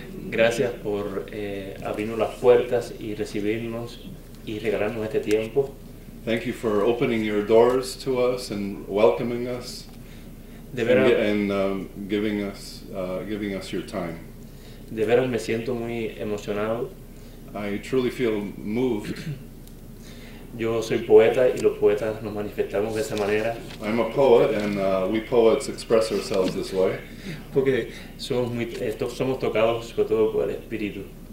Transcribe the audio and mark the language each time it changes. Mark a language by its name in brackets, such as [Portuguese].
[Spanish] Gracias por abrirnos las puertas y recibirnos y regalarnos este tiempo. [English] Thank you for opening your doors to us and welcoming us. [Spanish] De veras, [English] and giving us your time. [Spanish] De veras me siento muy emocionado. [English] I truly feel moved. [Spanish] Yo soy poeta y los poetas nos manifestamos de esa manera. [English] I'm a poet and we poets express ourselves this way. [Spanish] Porque somos muy somos tocados sobre todo por el espíritu.